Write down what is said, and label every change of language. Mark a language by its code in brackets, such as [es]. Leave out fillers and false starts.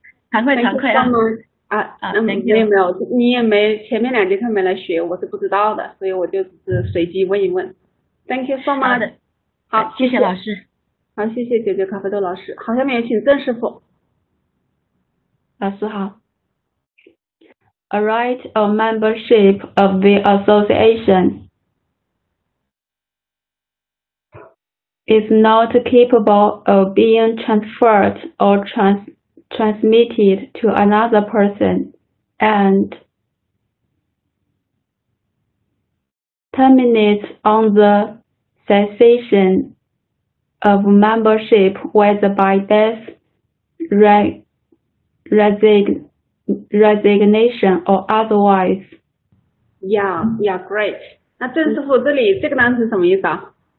[zh] 惭愧啊。没有，你也没前面两节课没来学，我是不知道的，所以我就是随机问一问。 [en] Thank you so much。 好， [zh] 谢谢老师。好，谢谢九九咖啡豆老师。好，下面请郑师傅。老师好。 [en] A right of membership of the association is not capable of being transferred or transmitted to another person and terminates on the cessation of membership, whether by death, resignation or otherwise. Yeah, great. [zh] 那郑师傅这里这个单词什么意思啊？